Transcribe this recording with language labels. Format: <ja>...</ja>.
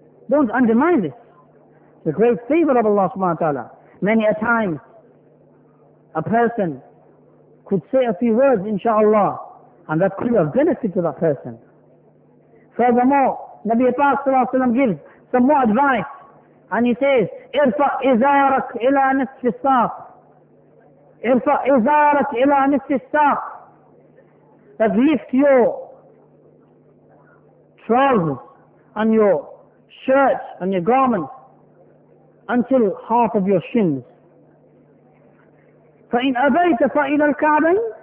<en>Don't undermine this. It's a great favor of Allah subhanahu wa ta'ala. Many a time, a person could say a few words, inshallah, and that could have benefited to that person. Furthermore, Nabi Pak sallallahu alayhi wa sallam gives some more advice.</en> <ar>And he says, إِرْفَعْ إِزَارَكْ إِلَىٰ نِسْفِ السَّاقِ. إِرْفَعْ إِزَارَكْ إِلَىٰ نِسْفِ السَّاقِ.</ar> <en>That lift your trousers and your shirt and your garment until half of your shins.</en> <ar>فَإِنْ أَبَيْتَ فَإِلَىٰ الْكَعْبَيْنِ.</ar>